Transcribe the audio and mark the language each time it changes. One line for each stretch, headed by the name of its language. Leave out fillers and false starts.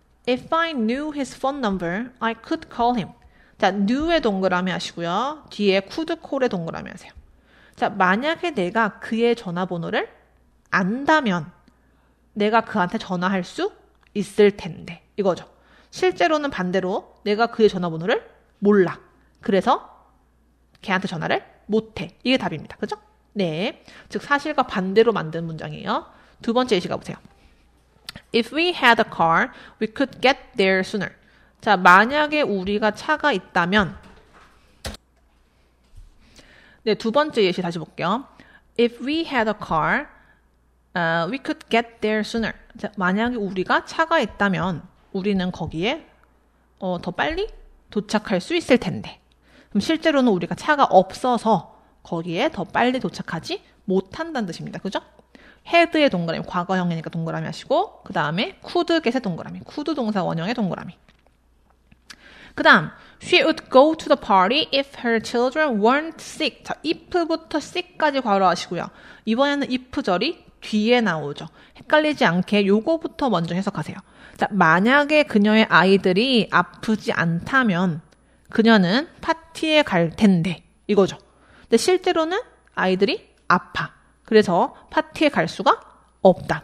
English: If I knew his phone number, I could call him.
Korean: 자 knew의 동그라미 하시고요. 뒤에 could call의 동그라미 하세요. 자 만약에 내가 그의 전화번호를 안다면 내가 그한테 전화할 수 있을 텐데 이거죠. 실제로는 반대로 내가 그의 전화번호를 몰라. 그래서 걔한테 전화를 못해. 이게 답입니다. 그죠? 네. 즉 사실과 반대로 만든 문장이에요. 두 번째 예시 가보세요.
English: If we had a car, we could get there sooner.
Korean: 자, 만약에 우리가 차가 있다면 네, 두 번째 예시 다시 볼게요.
English: If we had a car, we could get there sooner.
Korean: 자, 만약에 우리가 차가 있다면 우리는 거기에 더 빨리 도착할 수 있을 텐데. 그럼 실제로는 우리가 차가 없어서 거기에 더 빨리 도착하지 못한다는 뜻입니다. 그죠? had의 동그라미, 과거형이니까 동그라미 하시고 그 다음에 could get의 동그라미, could 동사 원형의 동그라미. 그 다음,
English: she would go to the party if her children weren't sick.
Korean: 자, if부터 sick까지 괄호 하시고요. 이번에는 if절이 뒤에 나오죠. 헷갈리지 않게 요거부터 먼저 해석하세요. 자, 만약에 그녀의 아이들이 아프지 않다면 그녀는 파티에 갈 텐데 이거죠. 근데 실제로는 아이들이 아파. 그래서 파티에 갈 수가 없다.